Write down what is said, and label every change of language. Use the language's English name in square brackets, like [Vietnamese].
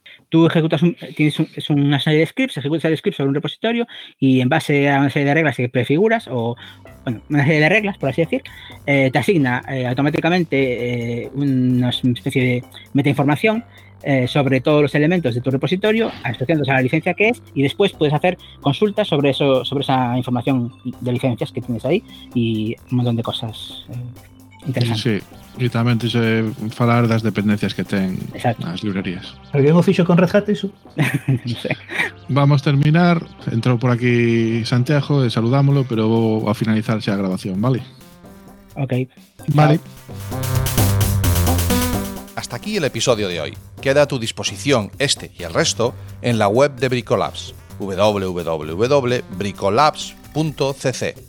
[Spanish] Tú ejecutas es una serie de scripts, ejecutas el script sobre un repositorio y en base a una serie de reglas que prefiguras una serie de reglas, por así decir, te asigna automáticamente una especie de metainformación sobre todos los elementos de tu repositorio, asociándose a la licencia que es, y después puedes hacer consultas sobre eso, sobre esa información de licencias que tienes ahí y un montón de cosas interesantes. Sí. [Galician] E tamén te xe falar das dependencias que ten nas librerías. Alguén o fixo con Red Hat iso? Vamos terminar. Entrou por aquí Santiago, saludámolo, pero vou a finalizar xa a grabación, ¿vale? Ok. Vale. [Spanish] Hasta aquí el episodio de hoy. Queda a tu disposición este y el resto en la web de Bricolabs, www.bricolabs.cc.